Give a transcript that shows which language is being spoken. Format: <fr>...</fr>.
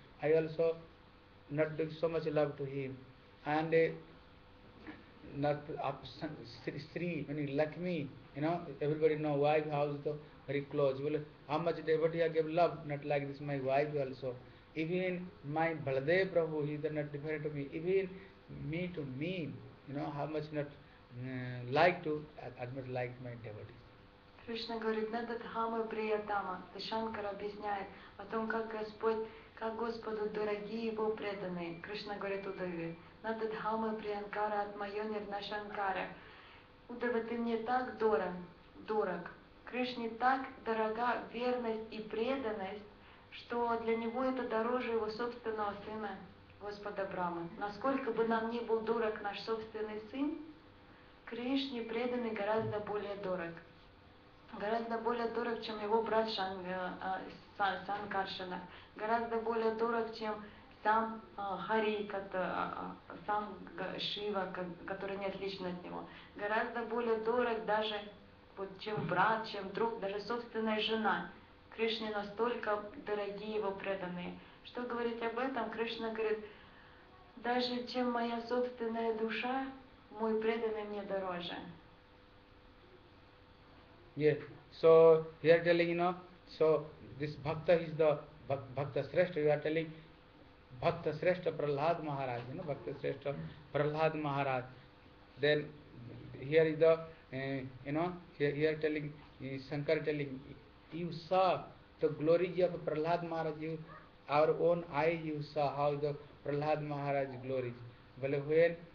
<en>I also not doing so much love to him. And Lakshmi, everybody know wife house the very close. Well, how much devotee I give love, not like this my wife also. Even my Baladev Prabhu, he is not different to me. Even me to me, how much not like to, as much like my devotees.</en> <ru>Кришна говорит, надо дхамы приятама. И Шанкара объясняет о том, как Господь, как Господу дорогие его преданные. Кришна говорит Удаве, надо дхамы приянкара от майонер на Шанкара. Удава, ты мне так дорог. Кришне так дорога верность и преданность, что для него это дороже его собственного сына, Господа Брама. Насколько бы нам ни был дорог наш собственный сын, Кришне преданный гораздо более дорог. Гораздо более дорог, чем его брат Санкаршана. Гораздо более дорог, чем сам Хари, сам Шива, который не отличен от него. Гораздо более дорог даже, вот, чем брат, чем друг, даже собственная жена. Кришне настолько дорогие его преданные. Что говорить об этом? Кришна говорит, даже чем моя собственная душа, мой преданный мне дороже.</ru> <en>Yeah. So you are telling, you know, so this bhakta is the bhakta shrestha. You are telling bhakta shrestha Prahlad Maharaj, you know, bhakta shrestha Prahlad Maharaj. Then here is the Shankar telling, you saw the glory of Prahlad Maharaj, our own eye, you saw how the Prahlad Maharaj glories.</en>